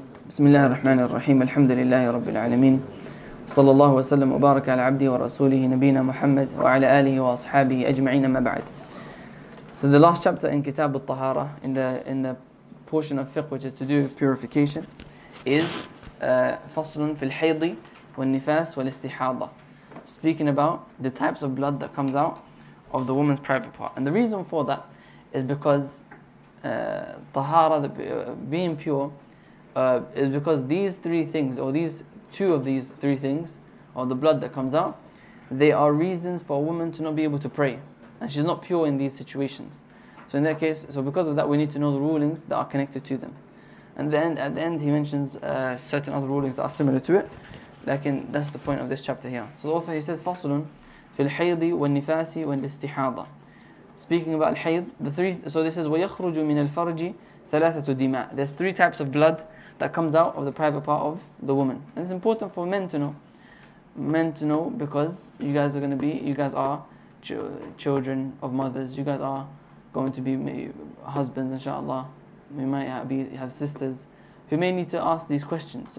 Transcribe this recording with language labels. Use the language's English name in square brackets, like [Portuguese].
[Arabic] بسم الله الرحمن الرحيم، الحمد لله رب العالمين، صلى الله وسلم وبارك على عبده ورسوله نبينا محمد وعلى آله وأصحابه أجمعين، ما بعد. [English] So the last chapter in Kitab al-Tahara, in the portion of fiqh which is to do with purification, is [Arabic] فصل في الحيض والنفاس والاستحاضة, [English] speaking about the types of blood that comes out of the woman's private part. And the reason for that is because tahara, being pure, is because these three things, or these two of these three things, or the blood that comes out, they are reasons for a woman to not be able to pray, and she's not pure in these situations. So in that case, so because of that, we need to know the rulings that are connected to them. And then at the end, he mentions certain other rulings that are similar to it. Lakin, that's the point of this chapter here. So the author, he says, [Arabic] فَصْلٌ فِي الْحَيْضِ وَالنِّفَاسِ وَالْاِسْتِحَاضَةِ. [English] Speaking about الحيض, the three. So this says, [Arabic] وَيَخْرُجُ مِنَ الْفَرْجِ ثَلَاثَةُ دِمَاءِ. [English] There's three types of blood that comes out of the private part of the woman. And it's important for men to know. Men to know, because you guys are children of mothers. You guys are going to be husbands, inshallah. We might have sisters who may need to ask these questions.